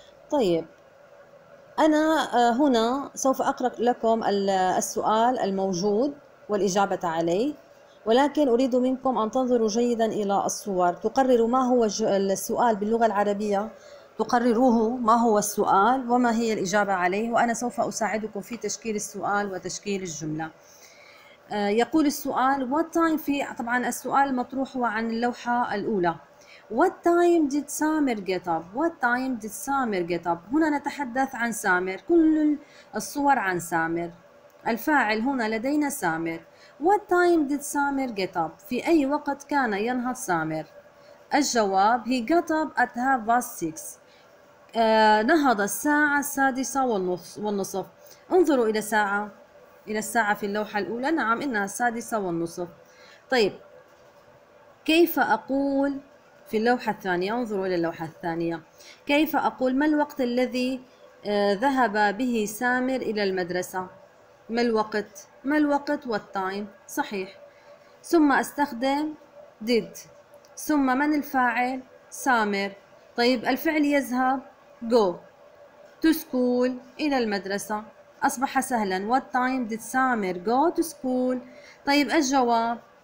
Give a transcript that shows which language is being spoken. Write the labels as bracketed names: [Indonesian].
[Arabic] طيب أنا هنا سوف أقرأ لكم السؤال الموجود والإجابة عليه، ولكن أريد منكم أن تنظروا جيدا إلى الصور، تقرروا ما هو السؤال باللغة العربية، تقرروه ما هو السؤال وما هي الإجابة عليه، وأنا سوف أساعدكم في تشكيل السؤال وتشكيل الجملة. يقول السؤال [English] What time [Arabic] في، طبعا السؤال مطروح هو عن اللوحة الأولى. [English] What time did Samer get up? What time did Samer get up? [Arabic] هنا نتحدث عن سامر، كل الصور عن سامر. الفاعل هنا لدينا سامر. What time did Samer get up? في أي وقت كان ينهض سامر؟ الجواب [English] He got up at 6:30. [Arabic] نهض الساعة 6:30. انظروا إلى الساعة، إلى الساعة في اللوحة الأولى. نعم إنها 6:30. طيب كيف أقول في اللوحة الثانية؟ انظروا إلى اللوحة الثانية. كيف أقول ما الوقت الذي ذهب به سامر إلى المدرسة؟ ما الوقت؟ ما الوقت؟ [English] What time؟ [Arabic] صحيح. ثم أستخدم did. ثم من الفاعل؟ سامر. طيب الفعل يذهب [English] go to school، [Arabic] إلى المدرسة. أصبح سهلا. [English] What time did Samer go to school؟ [Arabic] طيب الجواب